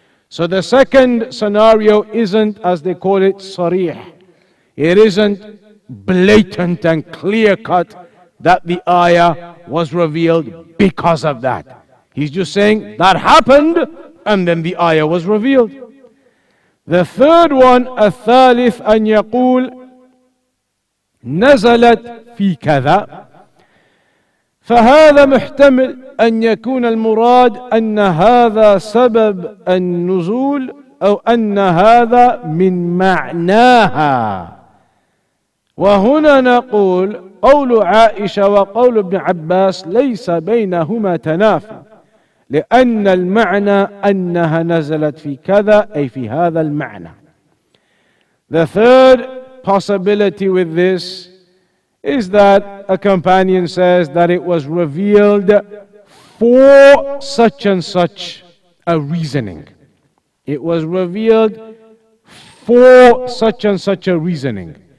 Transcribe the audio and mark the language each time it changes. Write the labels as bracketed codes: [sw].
[en] So the second scenario isn't, as they call it, sarih. It isn't blatant and clear-cut that the ayah was revealed because of that. He's just saying that happened and then the ayah was revealed. The third one, [ar] الثالث أن يقول نزلت في كذا فهذا محتمل أن يكون المراد أن هذا سبب النزول أو أن هذا من معناها. وهنا نقول قول عائشة وقول ابن عباس ليس بينهما تنافي لأن المعنى أنها نزلت في كذا أي في هذا المعنى. [en] The third possibility with this is that a companion says that it was revealed for such and such a reasoning. It was revealed for such and such a reasoning.